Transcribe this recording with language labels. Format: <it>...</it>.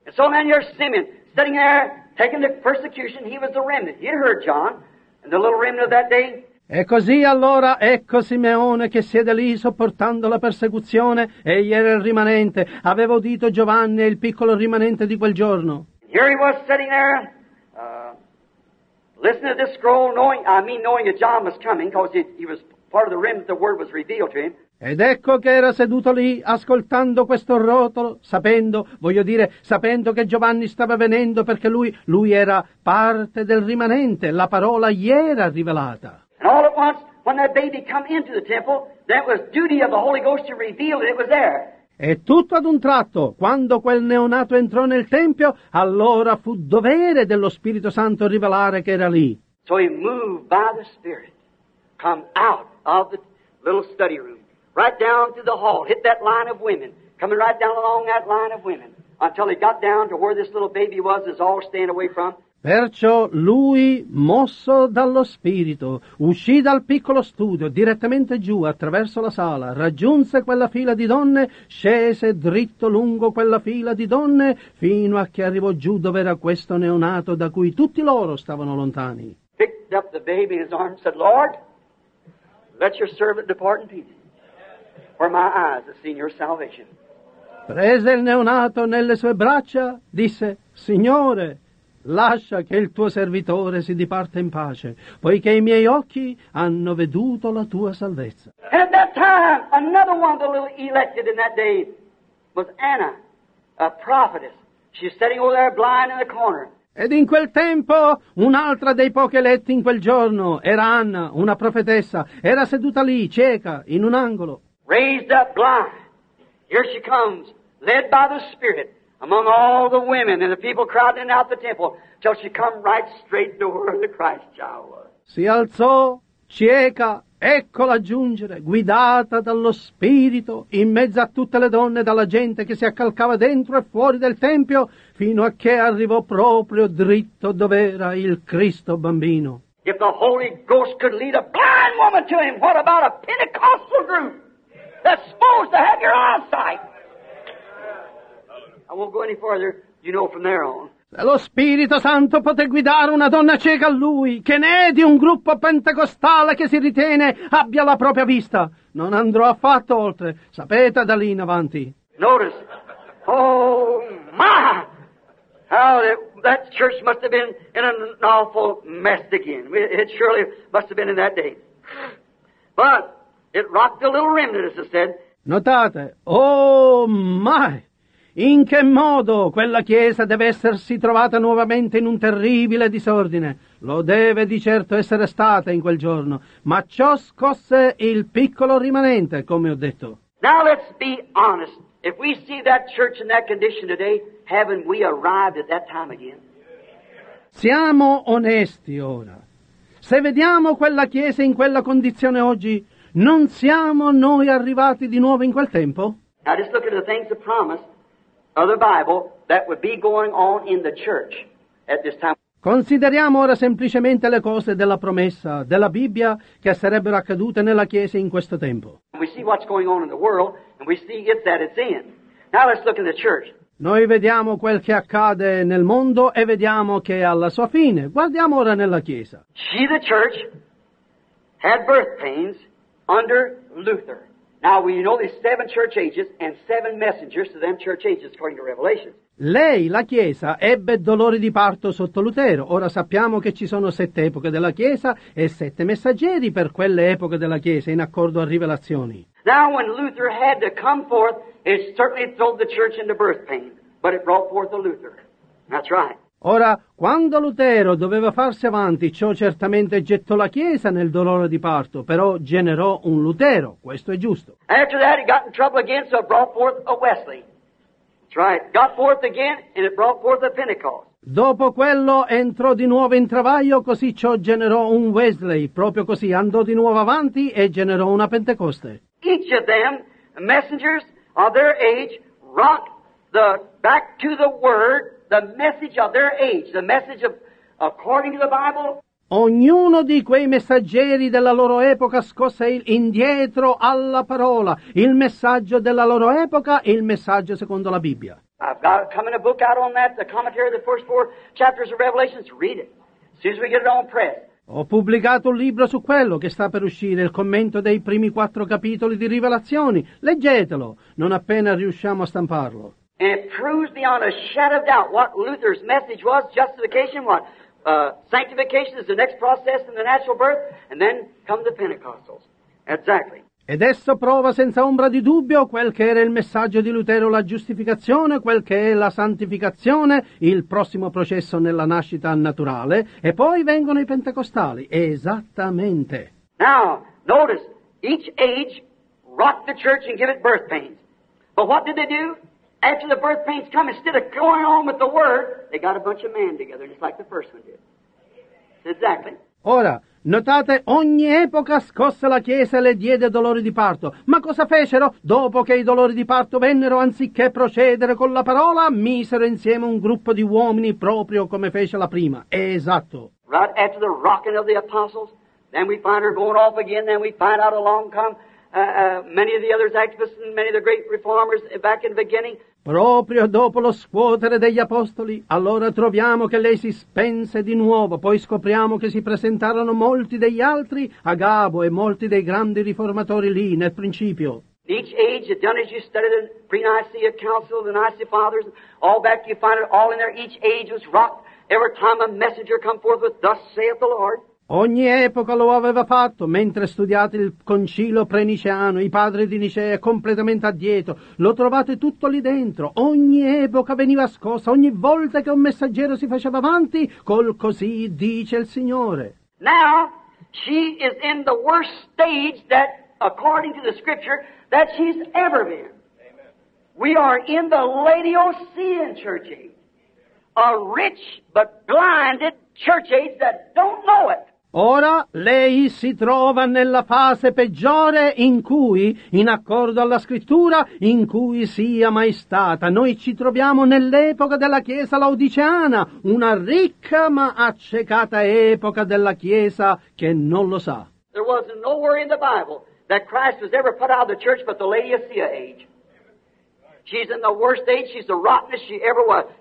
<en>And so then you're Simeon, sitting there, taking the persecution, he was the remnant. You heard John, and the little remnant of that day.</en> <it>E così allora ecco Simeone che siede lì sopportando la persecuzione, egli era il rimanente. Aveva udito Giovanni, il piccolo rimanente di quel giorno.</it> <en>And here he was sitting there, listening to this scroll, knowing that John was coming, because he was part of the rim that the word was revealed to him.</en> <it>Ed ecco che era seduto lì, ascoltando questo rotolo, sapendo che Giovanni stava venendo, perché lui era parte del rimanente, la parola gli era rivelata.</it> <en>And all at once, when that baby come into the temple, that was duty of the Holy Ghost to reveal it, it was there.</en> <it>E tutto ad un tratto, quando quel neonato entrò nel Tempio, allora fu dovere dello Spirito Santo rivelare che era lì.</it> <en>So he moved by the Spirit, come out of the little study room, right down through the hall, hit that line of women, coming right down along that line of women, until he got down to where this little baby was all staying away from.</en> <it>Perciò lui, mosso dallo Spirito, uscì dal piccolo studio, direttamente giù, attraverso la sala, raggiunse quella fila di donne, scese dritto lungo quella fila di donne, fino a che arrivò giù dove era questo neonato da cui tutti loro stavano lontani.</it> <en>Picked up the baby in his arms, said, Lord, let your servant depart in peace, for my eyes have seen your salvation.</en> <it>Prese il neonato nelle sue braccia, disse, Signore, lascia che il tuo servitore si diparta in pace, poiché i miei occhi hanno veduto la tua salvezza.</it> <en>And at that time, another one of the little elected in that day was Anna, a prophetess. She's sitting over there blind in the corner.</en> <it>Ed in quel tempo, un'altra dei pochi eletti in quel giorno era Anna, una profetessa. Era seduta lì, cieca, in un angolo.</it> <en>Raised up blind. Here she comes, led by the Spirit. Among all the women and the people crowding out the temple, till she come right straight to where the Christ child was.</en> <it>Si alzò, cieca, eccola giungere, guidata dallo Spirito, in mezzo a tutte le donne, dalla gente che si accalcava dentro e fuori del tempio, fino a che arrivò proprio dritto dove era il Cristo bambino.</it> <en>If the Holy Ghost could lead a blind woman to him, what about a Pentecostal group that's supposed to have your eyesight? I won't go any further, you know, from there on.</en> <it>Se lo Spirito Santo poté guidare una donna cieca a lui, che ne è di un gruppo pentecostale che si ritiene abbia la propria vista? Non andrò affatto oltre, sapete, da lì in avanti.</it> <en>Notice, oh my, how that church must have been in an awful mess again. It surely must have been in that day. But it rocked the little remnant, as I said.</en> <it>Notate,</it> <en>oh my.</en> <it>In che modo quella chiesa deve essersi trovata nuovamente in un terribile disordine? Lo deve di certo essere stata in quel giorno, ma ciò scosse il piccolo rimanente, come ho detto.</it> <en>Now let's be honest. If we see that church in that condition today, haven't we arrived at that time again?</en> <it>Siamo onesti ora. Se vediamo quella chiesa in quella condizione oggi, non siamo noi arrivati di nuovo in quel tempo?</it> <en>Now just look at the things that promised. Other Bible that would be going on in the church at this time.</en> <it>Consideriamo ora semplicemente le cose della promessa della Bibbia che sarebbero accadute nella chiesa in questo tempo.</it> <en>We see what's going on in the world, and we see it that it's in. Now let's look in the church.</en> <it>Noi vediamo quel che accade nel mondo e vediamo che è alla sua fine. Guardiamo ora nella chiesa.</it> <en>She, the church, had birth pains under Luther. Now we know there's seven church ages and seven messengers to them church ages according to Revelation.</en> <it>Lei, la Chiesa, ebbe dolori di parto sotto Lutero. Ora sappiamo che ci sono sette epoche della Chiesa e sette messaggeri per quelle epoche della Chiesa in accordo a Rivelazioni.</it> <en>Now when Luther had to come forth, it certainly throwed the church into birth pain, but it brought forth a Luther. That's right.</en> <it>Ora, quando Lutero doveva farsi avanti, ciò certamente gettò la Chiesa nel dolore di parto, però generò un Lutero, questo è giusto.</it> <en>After that he got in trouble again, so brought forth a Wesley. right. Got forth again, and it brought forth the Pentecost.</en> <it>Dopo quello entrò di nuovo in travaglio, così ciò generò un Wesley. Proprio così andò di nuovo avanti e generò una Pentecoste.</it> <en>Each of them, messengers of their age, wrought the back to the word, the message of their age, the message of according to the Bible.</en> <it>Ognuno di quei messaggeri della loro epoca scosse indietro alla parola, il messaggio della loro epoca, il messaggio secondo la Bibbia.</it> <en>I've got coming a book out on that, the commentary of the first four chapters of Revelation. Read it. As soon as we get it on press.</en> <it>Ho pubblicato un libro su quello che sta per uscire, il commento dei primi quattro capitoli di Rivelazioni. Leggetelo, non appena riusciamo a stamparlo.</it> <en>And it proves beyond a shadow of doubt what Luther's message was, justification, what sanctification is the next process in the natural birth, and then come the Pentecostals. Exactly.</en> <it>Ed esso prova senza ombra di dubbio quel che era il messaggio di Lutero, la giustificazione, quel che è la santificazione, il prossimo processo nella nascita naturale, e poi vengono i pentecostali. Esattamente.</it> <en>Now, notice, each age rocked the church and gave it birth pains. But what did they do? After the birth pains come, instead of going on with the word, they got a bunch of men together, just like the first one did. Exactly.</en> <it>Ora, notate, ogni epoca scosse la Chiesa e le diede dolori di parto. Ma cosa fecero? Dopo che i dolori di parto vennero, anziché procedere con la parola, misero insieme un gruppo di uomini proprio come fece la prima. Esatto.</it> <en>Right after the rocking of the apostles, then we find her going off again, then we find out along come many of the other activists and many of the great reformers back in the beginning.</en> <it>Proprio dopo lo scuotere degli apostoli, allora troviamo che lei si spense di nuovo, poi scopriamo che si presentarono molti degli altri a Gabo e molti dei grandi riformatori lì nel principio.</it> <en>Each age had done as you studied the pre-Nicaea council, the Nicaea fathers, all back you find it all in there. Each age was rocked every time a messenger come forth with thus saith the Lord.</en> <it>Ogni epoca lo aveva fatto, mentre studiate il concilio pre-niceano, i padri di Nicea completamente addietro, lo trovate tutto lì dentro, ogni epoca veniva scossa, ogni volta che un messaggero si faceva avanti, col così dice il Signore.</it> <en>Now, she is in the worst stage that, according to the scripture, that she's ever been. Amen. We are in the Laodicean church age. A rich but blinded church age that don't know it.</en> <it>Ora lei si trova nella fase peggiore in cui, in accordo alla scrittura, in cui sia mai stata. Noi ci troviamo nell'epoca della Chiesa Laodiceana, una ricca ma accecata epoca della Chiesa che non lo sa.</it> <en>There was nowhere in the Bible that Christ was ever put out of the church but the Laodicea age. She's in the worst age, she's the rottenest she ever was.</en>